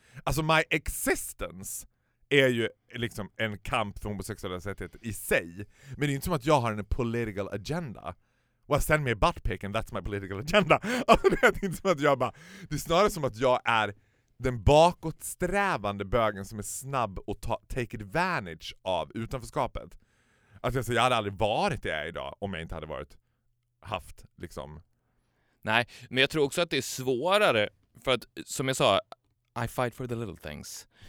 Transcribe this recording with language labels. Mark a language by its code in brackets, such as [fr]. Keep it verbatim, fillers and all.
[sv] Alltså, [en] my existence [sv] är ju liksom en kamp för homosexuella rättigheter i sig. Men det är inte som att jag har en [en] political agenda. Well, send me a butt pic and that's my political agenda. [sv] Alltså, det är inte som att jag bara... Det är snarare som att jag är den bakåtsträvande bögen som är snabb och ta- [en] take advantage [sv] av utanförskapet. Att alltså, jag hade aldrig varit det jag är idag om jag inte hade varit haft liksom... Nej, men jag tror också att det är svårare för att, som jag sa, [en] I fight for the little things.